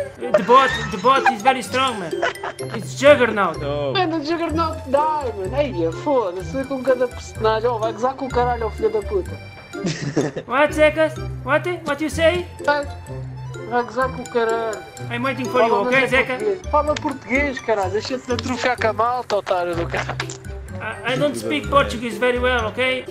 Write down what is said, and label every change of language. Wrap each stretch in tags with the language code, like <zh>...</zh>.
<en>The bot is very strong, man. It's Juggernaut. Oh. Man, the Juggernaut die, man.</en> <pt>Hey, foda-se com cada personagem. Oh, vai gozar com o caralho, filho da puta.</pt> <en>What, Zeca? What? What you say?</en> <pt>Vai gozar com o caralho.</pt> <en>I'm waiting for you, ok, Zeca?</en> <pt>Fala português, caralho. Deixa-te de trocar com a malta, otário do caralho.</pt> <en>I don't speak português very well, ok?</en>